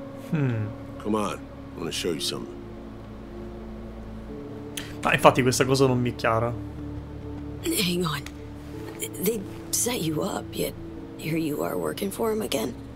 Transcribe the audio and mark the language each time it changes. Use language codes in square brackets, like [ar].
[en] Come on, I want to show you something. [it] Ma infatti questa cosa non mi è chiara. [en] Hang on. They set you up, yet here you are working for him again.